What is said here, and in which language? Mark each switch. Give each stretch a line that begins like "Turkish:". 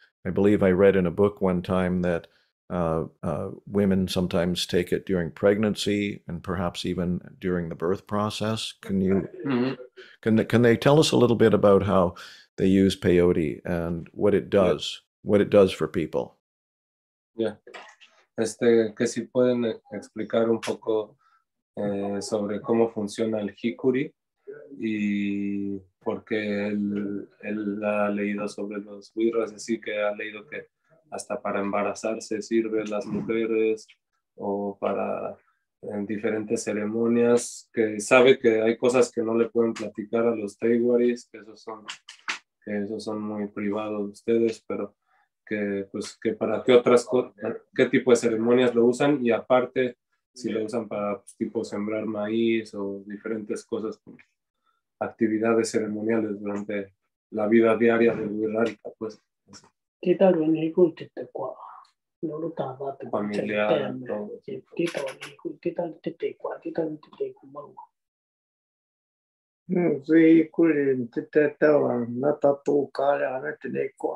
English: I believe I read in a book one time that women sometimes take it during pregnancy and perhaps even during the birth process. Can you can they tell us a little bit about how they use peyote and what it does, what it does for people? Yeah.
Spanish: Que si pueden explicar un poco sobre cómo funciona el jicuri y porque él ha leído sobre los wirras, así que ha leído que hasta para embarazarse sirve las mujeres o para en diferentes ceremonias, que sabe que hay cosas que no le pueden platicar a los teiwaris, que esos son muy privados de ustedes, pero que pues que para qué otras qué tipo de ceremonias lo usan, y aparte si lo usan para pues, tipo sembrar maíz o diferentes cosas, actividades ceremoniales durante la vida diaria de Wirikuta, pues así. Titan when he could take a little tabat, familiar,